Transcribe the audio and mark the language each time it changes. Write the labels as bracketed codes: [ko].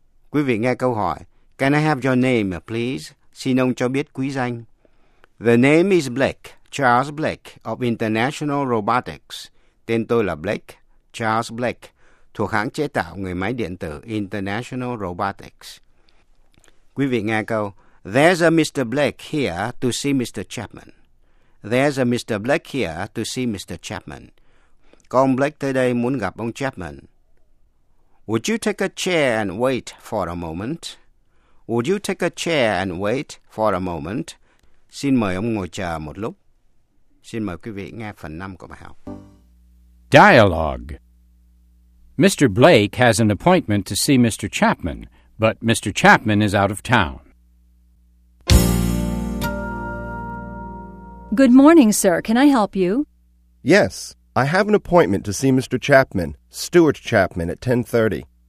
[vi] Quý vị nghe câu hỏi, [en] can I have your name, please? [vi] Xin ông cho biết quý danh. [en] The name is Blake, Charles Blake, of International Robotics. [vi] Tên tôi là Blake, Charles Blake. Thuộc hãng chế tạo người máy điện tử International Robotics. Quý vị nghe câu, [en] there's a Mr. Blake here to see Mr. Chapman. There's a Mr. Blake here to see Mr. Chapman. [vi] Có ông Blake tới đây muốn gặp ông Chapman. [en] Would you take a chair and wait for a moment? Would you take a chair and wait for a moment? [vi] Xin mời ông ngồi chờ một lúc. Xin mời quý vị nghe phần 5 của bài học. [en] Dialogue. Mr. Blake has an appointment to see Mr. Chapman, but Mr. Chapman is out of town. Good morning, sir. Can I help you? Yes. I have an appointment to see Mr. Chapman, Stuart Chapman, at 10:30.